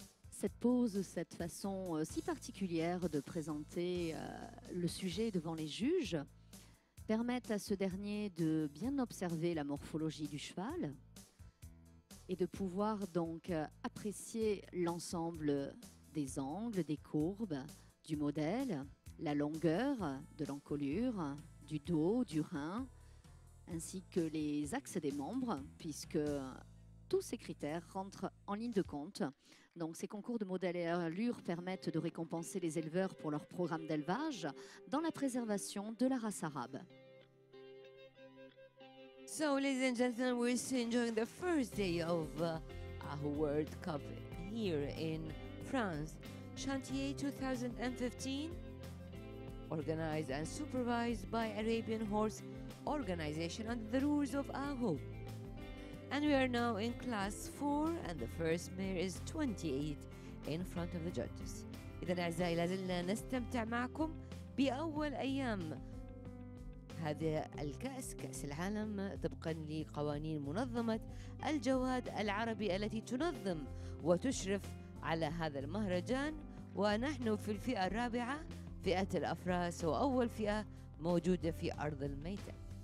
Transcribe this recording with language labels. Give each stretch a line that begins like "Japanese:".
French: cette pose, cette façon si particulière de présenter le sujet devant les juges permettent à ce dernier de bien observer la morphologie du cheval et de pouvoir donc apprécier l'ensemble des angles, des courbes, du modèle, la longueur de l'encolure, du dos, du rein, ainsi que les axes des membres, puisque tous ces critères rentrent en ligne de compte. Donc, ces concours de modèle et allure permettent de récompenser les éleveurs pour leur programme d'élevage dans la préservation de la race arabe.
English: So, ladies and gentlemen, we're enjoying the first day of our World Cup here in France. Chantier 2015, organized and supervised by Arabian Horse Organization under the rules of AHO. And we are now in class 4 and the first mare is 28 in front of the judges.
Arabic: إذن أعزائي لازلنا نستمتع معكم بأول أيام هذا الكأس كأس العالم طبقا لقوانين منظمة الجواد العربي التي تنظم وتشرف على هذا المهرجان ونحن في الفئة الرابعة فئة الأفراس وأول فئة موجودة في أرض الميدان.